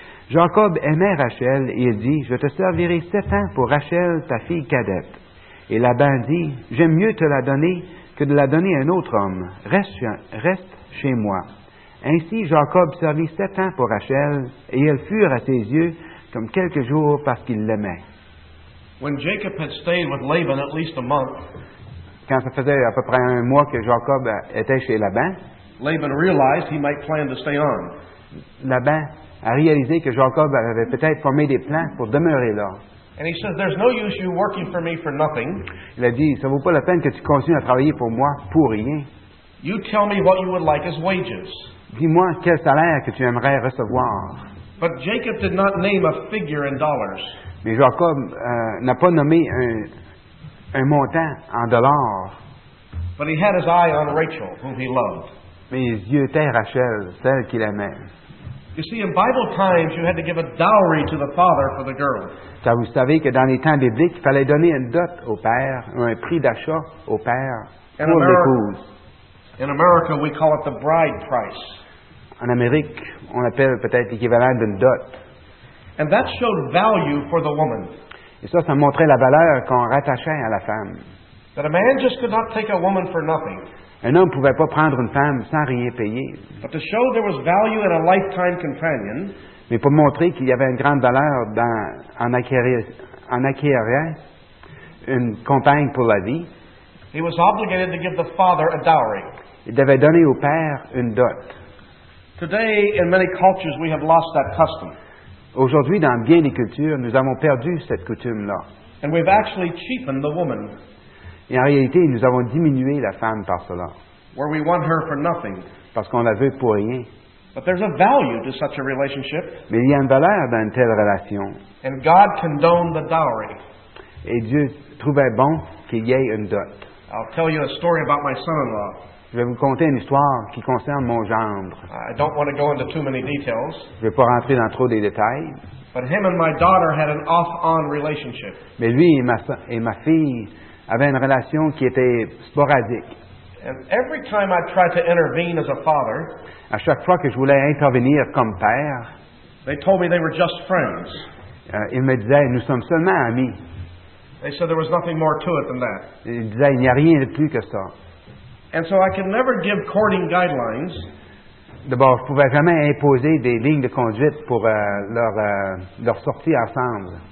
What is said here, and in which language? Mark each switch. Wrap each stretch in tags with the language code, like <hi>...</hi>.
<fr>Jacob aimait Rachel et il dit, « Je te servirai 7 ans pour Rachel, ta fille cadette. » Et Laban dit, « J'aime mieux te la donner que de la donner à un autre homme. Reste chez moi. » Ainsi, Jacob servit 7 ans pour Rachel et elles furent à ses yeux comme quelques jours parce qu'il l'aimait.</fr> <en>When Jacob had stayed with Laban at least a month,</en> <fr>quand ça faisait à peu près un mois que Jacob était chez Laban,</fr> <en>Laban realized he might plan to stay on.</en> <fr>Laban a réalisé que Jacob avait peut-être formé des plans pour demeurer là.</fr> <en>And he said, "There's no use you working for me for nothing."</en> <fr>Il a dit, ça vaut pas la peine que tu continues à travailler pour moi pour rien.</fr> <en>You tell me what you would like as wages.</en> <fr>Dis-moi quel salaire que tu aimerais recevoir.</fr> <en>But Jacob did not name a figure in dollars.</en> <fr>Mais Jacob n'a pas nommé un montant en dollars.</fr> <en>But he had his eye on Rachel, whom he loved.</en> <fr>Mais les yeux étaient Rachel, celle qu'il aimait.</fr> <en>You see, in Bible times, you had to give a dowry to the father for the girl.</en> <fr>Car vous savez que dans les temps bibliques, il fallait donner une dot au père, un prix d'achat au père pour l'épouse.</fr> <en>In America, we call it the bride price.</en> <fr>En Amérique, on appelle peut-être l'équivalent d'une dot.</fr> <en>And that showed value for the woman.</en> <fr>Et ça montrait la valeur qu'on rattachait à la femme.</fr> <en>That a man just could not take a woman for nothing.</en> <fr>Un homme ne pouvait pas prendre une femme sans rien payer.</fr> <en>But to show there was value in a lifetime companion.</en> <fr>Mais pour montrer qu'il y avait une grande valeur en acquérant une compagne pour la vie.</fr> <en>He was obligated to give the father a dowry.</en> <fr>Il devait donner au père une dot.</fr> <en>Today, in many cultures, we have lost that custom.</en> <fr>Aujourd'hui, dans bien des cultures, nous avons perdu cette coutume-là.</fr> <en>And we've actually cheapened the woman.</en> <fr>Et en réalité, nous avons diminué la femme par cela.</fr> <en>Where we want her for nothing.</en> <fr>Parce qu'on la veut pour rien.</fr> <en>But there's a value to such a relationship.</en> <fr>Mais il y a une valeur dans une telle relation.</fr> <en>And God condoned the dowry.</en> <fr>Et Dieu trouvait bon qu'il y ait une dot.</fr> <en>I'll tell you a story about my son-in-law.</en> <fr>Je vais vous conter une histoire qui concerne mon gendre.</fr> <en>I don't want to go into too many details.</en> <fr>Je ne vais pas rentrer dans trop des détails.</fr> <en>But him and my daughter had an off-on relationship.</en> <fr>Mais lui et ma fille avaient une relation qui était sporadique.</fr> <en>And every time I tried to intervene as a father,</en> <fr>à chaque fois que je voulais intervenir comme père,</fr> <en>they told me they were just friends.</en> <fr>Ils me disaient, nous sommes seulement amis.</fr> <en>They said there was nothing more to it than that.</en> <fr>Ils disaient, il n'y a rien de plus que ça.</fr> <en>And so I could never give courting guidelines.</en> <fr>D'abord, je ne pouvais jamais imposer des lignes de conduite pour leur sortie ensemble.</fr>